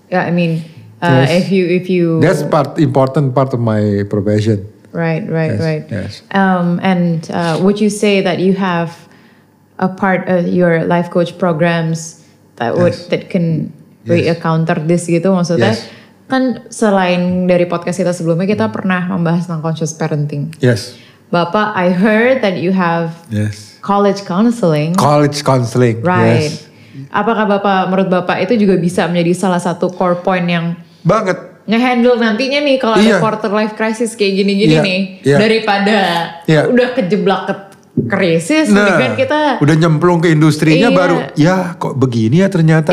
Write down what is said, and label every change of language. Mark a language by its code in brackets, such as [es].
[en] Yeah, I mean if you that's part important part of my profession. Right. Yes. Would you say that you have a part of your life coach programs that would that can re-encounter this [id] gitu maksudnya? [en] Yes. [id] Kan selain dari podcast kita sebelumnya kita pernah membahas tentang conscious parenting. [en] Yes. Bapak, I heard that you have college counseling. College counseling. Right. Yes. [id] Apakah Bapak, menurut Bapak itu juga bisa menjadi salah satu core point yang banget ngehandle nantinya nih kalau ada quarter life crisis kayak gini-gini daripada udah kejeblak ke krisis, kan kita udah nyemplung ke industrinya baru, ya kok begini ya ternyata